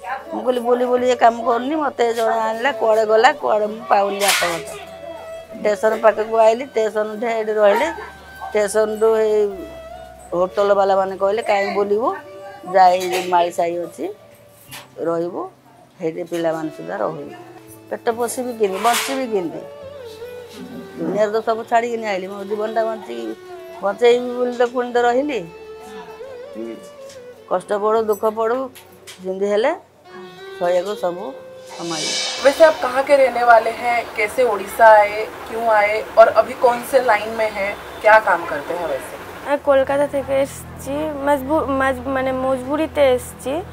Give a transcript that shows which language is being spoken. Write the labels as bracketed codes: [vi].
[or] ମୁଁ କହିଲି ବୁଲି ବୁଲି ଏ କାମ କରୁନି ମୋତେ ଜଣେ ଆଣିଲା କୁଆଡ଼େ ଗଲା କୁଆଡ଼େ ମୁଁ ପାଉନି ଆପ ଷ୍ଟେସନ ପାଖକୁ ଆସିଲି ଷ୍ଟେସନ ଠେଇ ରହିଲି ଷ୍ଟେସନରୁ ଏଇ ହୋଟେଲ ବାଲା ମାନେ କହିଲେ କାହିଁକି ବୁଲିବୁ ଯାଇ ମାଳି ସାହି ଅଛି ରହିବୁ ହେଇଠି ପିଲାମାନେ ସୁଦ୍ଧା ରହିବୁ ପେଟ ପୋଷିବି କେମିତି ବଞ୍ଚିବି କେମିତି ଦୁନିଆରେ ତ ସବୁ ଛାଡ଼ିକିନି ଆସିଲି ମୋ ଜୀବନଟା ବଞ୍ଚିକି ବଞ୍ଚେଇବି ବୋଲି ତ ପୁଣି ତ ରହିଲି କଷ୍ଟ ପଡ଼ୁ ଦୁଃଖ ପଡ଼ୁ ଯେମିତି ହେଲେ ସହିବାକୁ ସବୁ ସମାଜ [hi] वैसे आप कहाँ के रहने वाले हैं, कैसे उड़ीसा आए, क्यों आए और अभी कौन से लाइन में हैं, क्या काम करते हैं? वैसे [bn] कोलकाता থেকে এসেছি, মানে মজবুরিতে এসেছি।